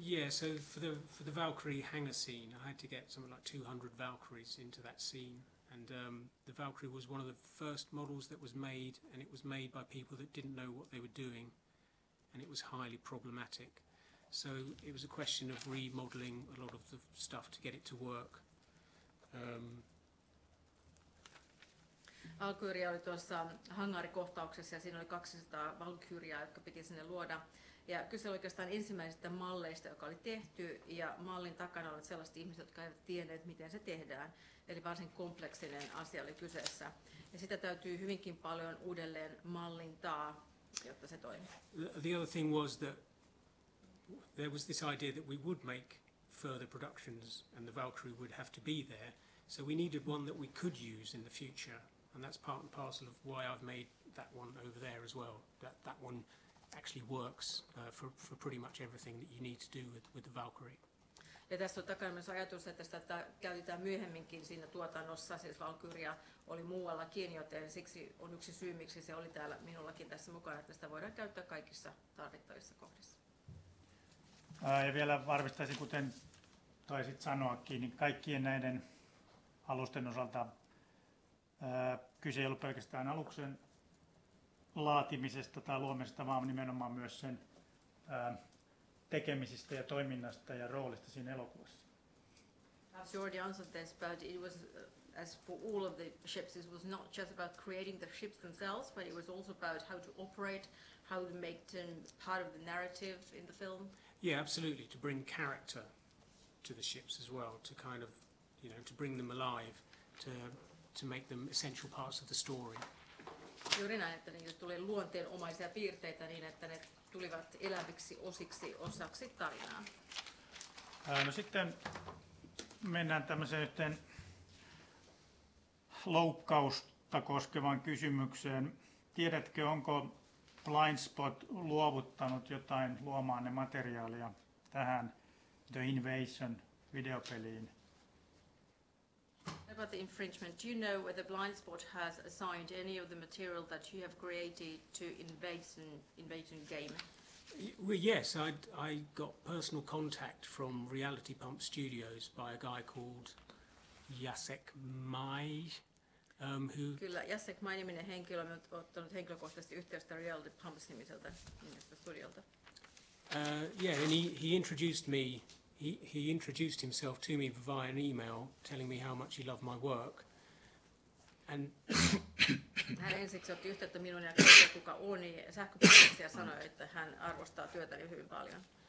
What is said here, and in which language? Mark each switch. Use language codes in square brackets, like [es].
[en] So for the Valkyrie hangar scene, I had to get something like 200 Valkyries into that scene. And the Valkyrie was one of the first models that was made, and it was made by people that didn't know what they were doing, and it was highly problematic. So it was a question of remodeling a lot of the stuff to get it to work. [fi] Valkyria oli tuossa hangaarikohtauksessa ja siinä oli 200 valkyriaa, jotka piti sinne luoda. Ja kyse oli oikeastaan ensimmäisistä malleista, joka oli tehty, ja mallin takana oli sellaiset ihmiset, jotka eivät tienneet, miten se tehdään. Eli varsin kompleksinen asia oli kyseessä. Ja sitä täytyy hyvinkin paljon uudelleen mallintaa, jotta se toimii. [en] The other thing was that there was this idea that we would make further productions and the Valkyrie would have to be there. So we needed one that we could use in the future. And that's part and parcel of why I've made that one over there as well. That one actually works for pretty much everything that you need to do with the Valkyrie. [fi] Ja tässä on takana myös ajatus, että sitä käytetään myöhemminkin siinä tuotannossa, siis Valkyria oli muuallakin, joten siksi on yksi syy, miksi se oli täällä minullakin tässä mukana, että sitä voidaan käyttää kaikissa tarvittavissa kohdissa. Ja vielä varmistaisin, kuten taisit sanoakin, niin kaikkien näiden alusten osalta kyse ei ollut pelkästään aluksen laatimisesta tai luomisesta, vaan nimenomaan myös sen tekemisistä ja toiminnasta ja roolista siinä elokuvassa. [en] As you already answered this, but it was as for all of the ships, it was not just about creating the ships themselves, but it was also about how to operate, how to make them part of the narrative in the film. Yeah, absolutely, to bring character to the ships as well, to kind of, you know, to bring them alive, to make them essential parts of the story. [fi] Juuri näin, että niitä tulee luonteenomaisia piirteitä niin, että ne tulivat eläviksi osaksi tarinaa. No sitten mennään tämmöiseen yhteen loukkausta koskevaan kysymykseen. Tiedätkö, onko Blindspot luovuttanut jotain luomaanne materiaalia tähän The Invasion-videopeliin? [en] About the infringement, do you know whether Blindspot has assigned any of the material that you have created to Invasion game? Well, yes, I got personal contact from Reality Pump Studios by a guy called Jacek Mai, who... [fi] Kyllä, Jacek Mai-niminen henkilö on ottanut henkilökohtaisesti yhteydestä Reality Pumps-nimiseltä studiolta. [en] Yeah, and he introduced me. He introduced himself to me via an email, telling me how much he loved my work. And [fi] hän ensiksi otti yhteyttä minuun ja kysyi, kuka on, sähköpostiksi ja sanoi, että hän arvostaa työtäni hyvin paljon.